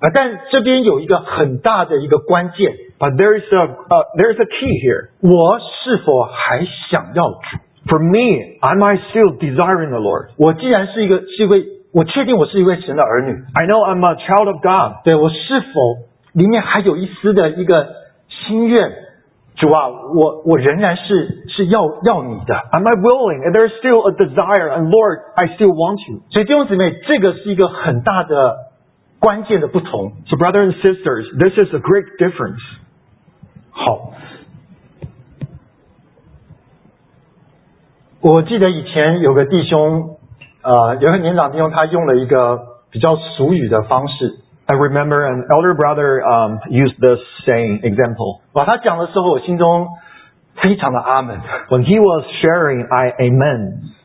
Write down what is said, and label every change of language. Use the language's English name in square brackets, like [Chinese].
[Chinese] 但这边有一个很大的一个关键。 [English] But there is a key here. [Chinese] 我是否还想要主？ [English] For me, am I still desiring the Lord? [Chinese] 我既然是一位，我确定我是一位神的儿女。 [English] I know I'm a child of God. [Chinese] 对，我是否里面还有一丝的一个心愿？主啊，我仍然是要你的。 [English] Am I willing? And there's still a desire. And Lord, I still want you. [Chinese] 所以弟兄姊妹，这个是一个很大的。关键的不同。 [English] So brothers and sisters, this is a great difference. [Chinese] 好，我记得以前有个弟兄，有个年长弟兄，他用了一个比较俗语的方式。 [English] I remember an elder brother used this saying example. [Chinese] 哇，他讲的时候，我心中非常的阿们。 [English] When he was sharing, I amen.